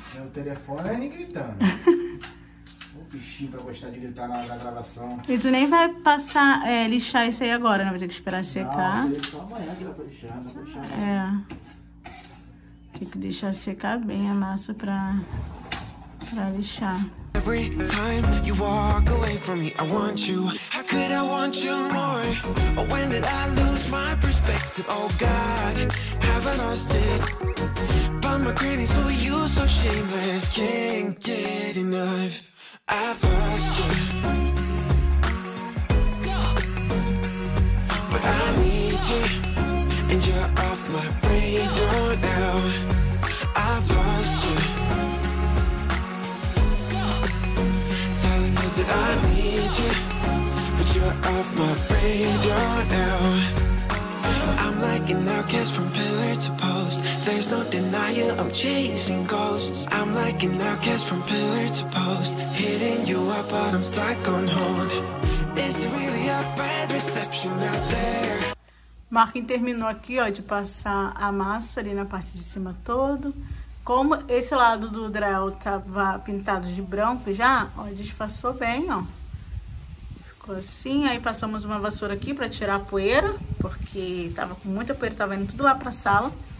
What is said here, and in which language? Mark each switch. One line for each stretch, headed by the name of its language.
Portuguese: é o telefone gritando. O bichinho pra gostar de gritar na hora da gravação. E tu nem vai passar, lixar isso aí agora, né? Vai ter que esperar secar. Não, você deixa só amanhã que dá pra lixar, dá pra lixar. É. Tem que deixar secar bem a massa pra lixar.
English: Every time you walk away from me, I want you. How could I want you more? Oh, when did I lose my perspective? Oh God, have I lost it? But my cravings for you so shameless. Can't get enough. I've lost you. But I need you, and you're off my radar now. I've lost you. I need you, but you're off my radar now. I'm like an outcast from pillar to post. There's no denial, I'm chasing ghosts. I'm like an outcast from pillar to post. Hitting you up, but I'm stuck on hold. Is it really a bad reception out there?
Portuguese: Marquinhos terminou aqui, ó, de passar a massa ali na parte de cima todo. Como esse lado do drywall tava pintado de branco já, ó, disfarçou bem, ó. Ficou assim, aí passamos uma vassoura aqui pra tirar a poeira, porque tava com muita poeira, tava indo tudo lá pra sala.